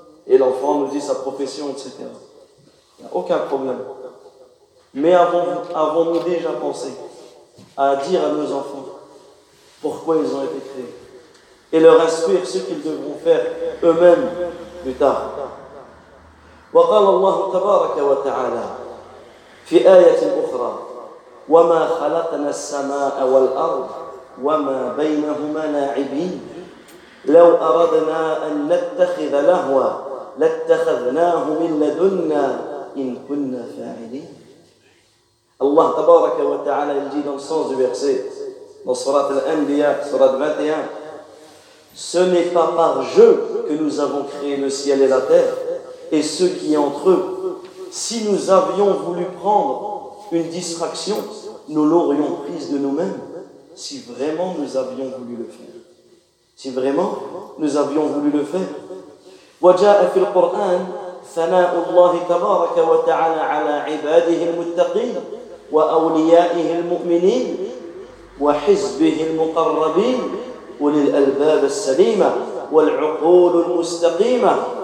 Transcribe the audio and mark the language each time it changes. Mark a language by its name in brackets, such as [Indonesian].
[French] Et l'enfant nous dit sa profession, etc. Aucun problème. Mais avons-nous déjà pensé à dire à nos enfants pourquoi ils ont été créés et leur instruire ce qu'ils devront faire eux-mêmes plus tard. [Arabic] وقال الله تبارك وتعالى في آية أخرى وما خلقنا السماء والأرض وما بينهما لاعبين لو أردنا أن نتخذ لهوا لاتخذناه من لدنا إن كنا فاعلين. الله تبارك وتعالى يجي [French] dans le sens du verset dans surat al-Anbiya surat 21. Ce n'est pas par jeu que nous avons créé le ciel et la terre et ceux qui sont entre eux. Si nous avions voulu prendre une distraction, nous l'aurions prise de nous-mêmes, si vraiment nous avions voulu le faire. Si vraiment nous avions voulu le faire. [Arabic] وَجَاءَ فِي الْقُرْآنِ ثَنَاءُ اللَّهِ تَبَارَكَ وَتَعَالَى عَلَى عِبَادِهِ الْمُتَّقِينَ وَأَوْلِيَائِهِ الْمُؤْمِنِينَ وَحِزْبِهِ الْمُقَرَّبِينَ وَلِلْأَلْبَابِ السَّلِيمَةِ وَالْعُقُولُ الْمُسْتَقِيمَةِ